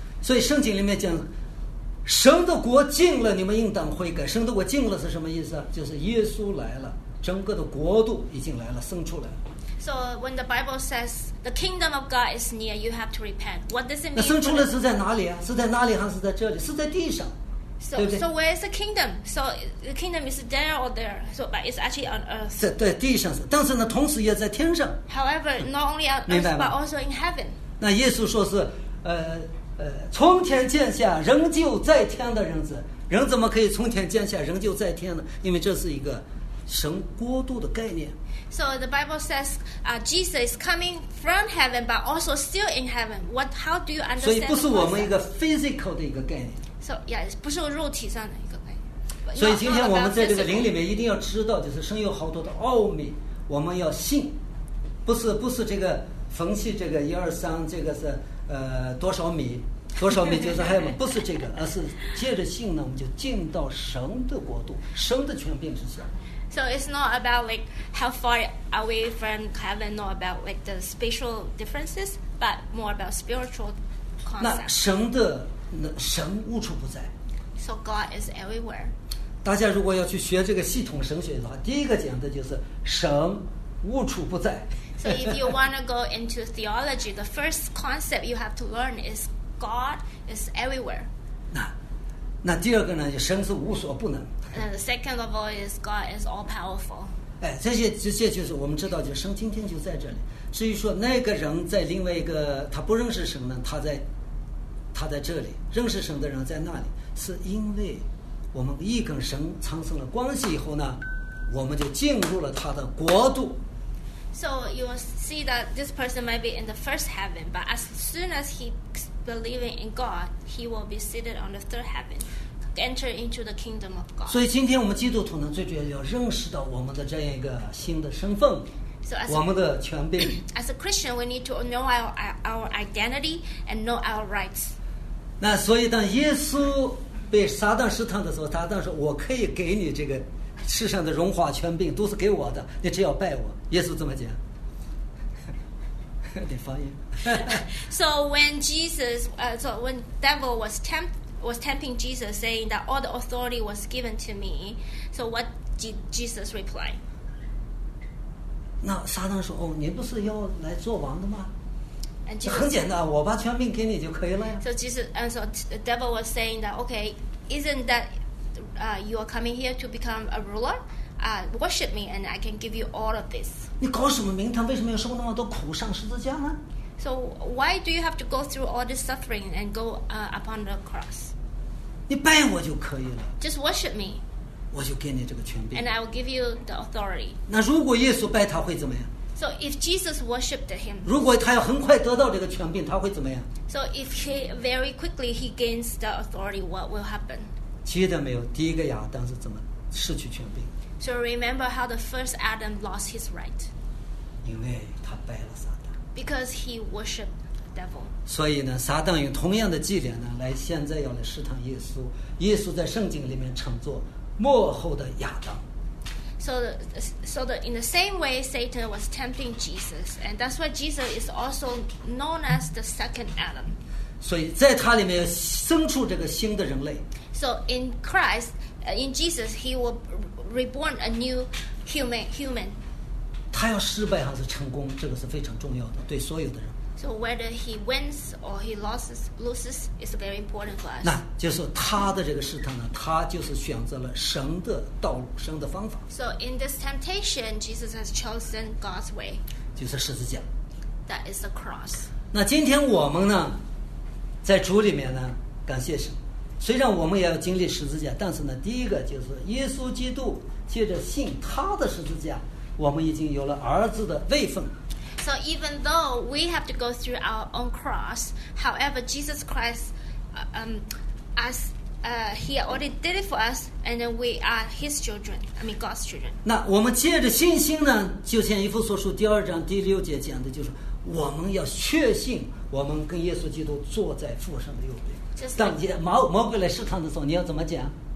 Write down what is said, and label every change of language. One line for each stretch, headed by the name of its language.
Chinese: 所以圣经里面讲，神的国近了，你们应当悔改。神的国近了是什么意思？就是耶稣来了，整个的国度已经来了，生出来了。
English: So when the Bible says the kingdom of God is near, you have to repent. What does it mean?
Chinese: 那生出来是在哪里啊？是在哪里还是在这里？是在地上，
English: so,
Chinese: 对不对
English: ？So where is the kingdom? So the kingdom is there or there? So but it's actually on earth.
Chinese: 是对地上是，但是呢，同时也在天上。
English: However, not only on earth, but also in heaven.
Chinese: 那耶稣说是，从天降下，仍旧在天的人子，人怎么可以从天降下，仍旧在天呢？因为这是一个神国度的概念。
English: So the Bible says, Jesus is coming from heaven, but also still in heaven. What? How do you understand?
Chinese: 所以不是我们一个 physical 的一个概念。
English: So yeah,
Chinese: 不是肉体上的一个概念。所以今天我们在这个灵里面一定要知道，就是神有好多的奥秘，我们要信，不是这个缝隙这个一二三这个是多少米。多少米就是海吗？不是这个，而是借着信呢，我们就进到神的国度，神的权柄之下。
English: So it's not about like how far are we from heaven, not about like the spatial differences, but more about spiritual concept.
Chinese: 那神的那神无处不在。
English: So God is everywhere.
Chinese: 大家如果要去学这个系统神学的话，第一个讲的就是神无处不在。
English: So if you want to go into theology, the first concept you have to learn isGod is everywhere.
Chinese: 那第二个呢？就神是无所不能。
English: And the second of all is God is all powerful.
Chinese: 哎，这些就是我们知道，就神今天就在这里。至于说那个人在另外一个他不认识神呢，他在这里；认识神的人在那里，是因为我们一跟神产生了关系以后呢，我们就进入了他的国度。
English: So you see that this person might be in the first heaven, but as soon as he believing in God, he will be seated on the third heaven, enter into the kingdom of God.
Chinese: 所以今天我们基督徒呢，最主要要认识到我们的这样一个新的身份，
English: so、
Chinese: 我们的权柄。
English: As a Christian, we need to know our identity and know our rights.
Chinese: 那所以当耶稣被撒旦试探的时候，撒旦说：“我可以给你这个。” 世上的荣华权柄都是给我的，你只要拜我。耶稣这么讲，你翻译。
English: So when Jesus, so when devil was tempting Jesus, saying that all the authority was given to me, so what did Jesus reply?
Chinese: 那撒旦说：“哦，你不是要来做王的吗？”
English: And Jesus,
Chinese: 很简单，我把权柄给你就可以了呀。
English: So Jesus, and so the devil was saying that, okay, isn't that? You are coming here to become a ruler. Worship me, and I can give you all of this.
Chinese: 你搞什么名堂？为什么要受那么多苦，上十字架呢
English: So why do you have to go through all this suffering and go upon the cross?
Chinese: 你拜我就可以了。
English: Just worship me.
Chinese: 我就给你这个权柄。
English: And I will give you the authority.
Chinese: 那如果耶稣拜他会怎么样？
English: So if Jesus worshipped him,
Chinese: 如果他要很快得到这个权柄，他会怎么样？
English: So if he very quickly he gains the authority, what will happen?
Chinese: 记得没有？第一个亚当是怎么失去权柄？
English: So remember how the first Adam lost his right?
Chinese: 因为他拜了撒旦。
English: Because he worshipped the devil.
Chinese: 所以呢，撒旦用同样的伎俩呢，来现在要来试探耶稣。耶稣在圣经里面称作末后的亚当。
English: So in the same way, Satan was tempting Jesus, and that's why Jesus is also known as the second Adam.
Chinese: 所以在他里面生出这个新的人类。
English: So in Christ, in Jesus, he will reborn a new human.
Chinese: 他要失败还是成功，这个是非常重要的，对所有的人。
English: So whether he wins or he loses is very important for us.
Chinese: 那就是他的这个试探呢，他就是选择了神的道路，神的方法。
English: So in this temptation, Jesus has chosen God's way.
Chinese: 就是十字架。
English: That is the cross.
Chinese: 那今天我们呢，在主里面呢，感谢神。虽然我们也要经历十字架，但是呢，第一个就是耶稣基督借着信他的十字架，我们已经有了儿子的位分。
English: So even though we have to go through our own cross, however, Jesus Christ, he already did it for us, and then we are His children. I mean, God's children.
Chinese: 那我们借着信心呢，就像以弗所书第二章第六节讲的，就是我们要确信我们跟耶稣基督坐在父神的右边。当你魔鬼来试探的时候，你要怎么讲？